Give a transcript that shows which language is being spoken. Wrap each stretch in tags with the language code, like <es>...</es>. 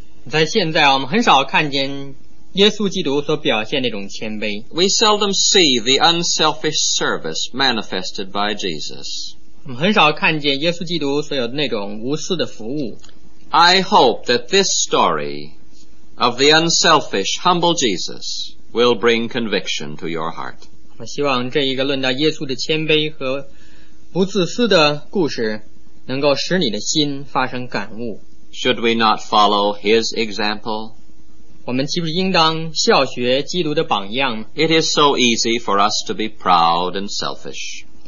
<zh>在现在我们很少看见耶稣基督所表现那种谦卑。</zh> <en>We seldom see the unselfish service manifested by Jesus.</en> <zh>我们很少看见耶稣基督所有那种无私的服务。</zh> <en>I hope that this story of the unselfish, humble Jesus will bring conviction to your heart.</en> <zh>我希望这一个论到耶稣的谦卑和不自私的故事能够使你的心发生感悟。</zh> <en>Should we not follow his example?</en> <zh>我们岂不是应当效学基督的榜样?</zh> <en>It is so easy for us to be proud and selfish.</en>